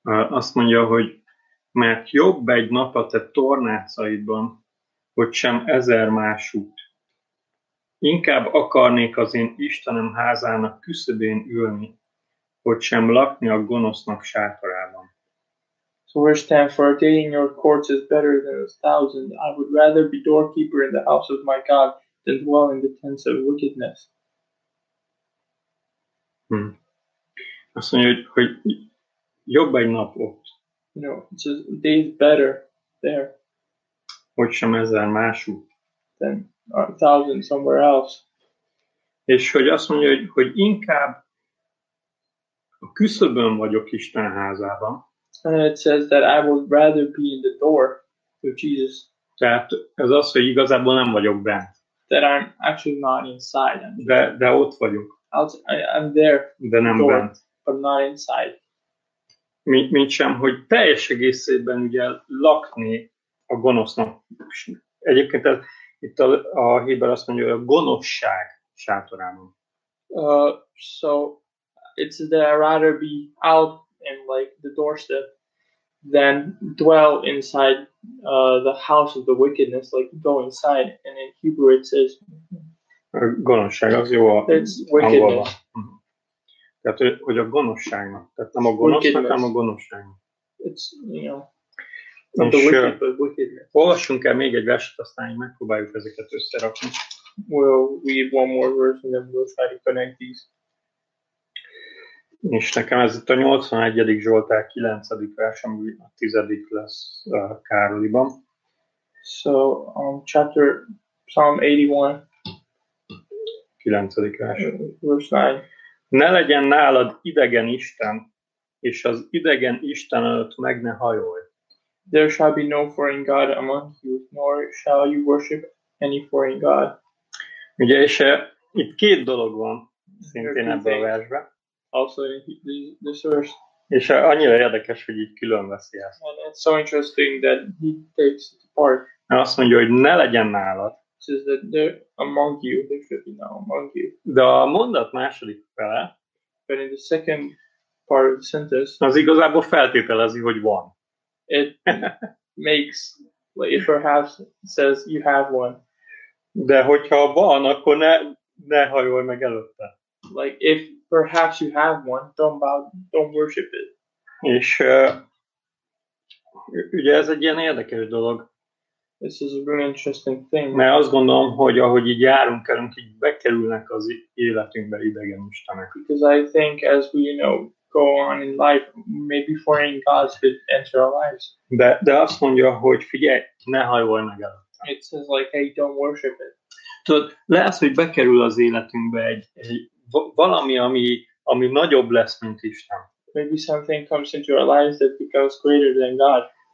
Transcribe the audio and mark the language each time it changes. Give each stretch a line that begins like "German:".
Hungarian: Azt mondja, hogy mert jobb egy nap a te tornácaidban, hogy sem ezer más út. Inkább akarnék az én Istenem házának küszöbén ülni, hogy sem lakni a gonosznak sátorában.
English: So verse 10, for a day in your courts is better than a thousand. I would rather be doorkeeper in the house of my God than dwell in the tents of wickedness.
Hungarian: Azt mondja, hogy jobb egy nap ott.
English: No, it's a day better there.
Hungarian: Hogy sem ezer más út.
English: Then a thousand somewhere else.
Hungarian: És hogy azt mondja, hogy inkább a küszöbön vagyok Isten házában.
English: And it says that I would rather be in the door to Jesus.
Hungarian: Tehát ez az, hogy igazából nem vagyok bent.
English: That I'm actually not inside.
Hungarian: De ott vagyok.
English: I'm there.
Hungarian: De nem
English: door,
Hungarian: bent.
English: But not inside.
Hungarian: Mint sem, hogy teljes egészében ugye lakni a gonosznak. Egyébként itt a Héber azt mondja, hogy a gonoszság sátorában.
English: So it's that I'd rather be out in like the doorstep than dwell inside the house of the wickedness, like go inside. And in Hebrew it says
Hungarian: a gonoszság az jó
English: it's wickedness.
Hungarian: Tehát, hogy a gonoszságnak. Tehát nem a gonosznak, hanem a gonoszságnak.
English: It's, you know, not the wicked, but wicked.
Hungarian: Olvassunk el még egy verset, aztán így megpróbáljuk ezeket összerakni.
English: We'll read one more verse, and then we'll try to connect these.
Hungarian: És nekem ez itt a 81. Zsoltár 9. vers, ami a 10. lesz Károliban.
English: So, chapter, Psalm 81.
Hungarian: 9. vers.
English: Verse 9.
Hungarian: Ne legyen nálad idegen Isten, és az idegen Isten előtt meg ne hajolj.
English: There shall be no foreign God among you, nor shall you worship any foreign God.
Hungarian: Ugye, és itt két dolog van, szintén ebben a versben.
English: Also in this verse.
Hungarian: És annyira érdekes, hogy így külön veszi ezt.
English: And it's so interesting that he takes it apart.
Hungarian: Mert azt mondja, hogy ne legyen nálad.
English: Is that they're among you, they should be now among you.
Hungarian: De a mondat második fele,
English: but in the second part of the sentence,
Hungarian: az igazából feltételezi, hogy van.
English: It makes, like it perhaps says you have one.
Hungarian: De hogyha van, akkor ne hajolj meg előtte.
English: Like if perhaps you have one, don't worship it.
Hungarian: És ugye ez egy ilyen érdekes dolog.
English: This is a very interesting thing.
Hungarian: Mert azt gondolom, hogy ahogy így járunk, elünk, így bekerülnek az életünkbe idegen mostanak.
English: Because I think as we, you know, go on in life, maybe foreign gods could enter our lives.
Hungarian: De azt mondja, hogy figyelj, ne hajolj meg el.
English: It says like, hey, don't worship it.
Hungarian: Tudod, lesz, hogy bekerül az életünkbe egy valami, ami nagyobb lesz, mint Isten.
English: Maybe something comes into our lives that becomes greater than God.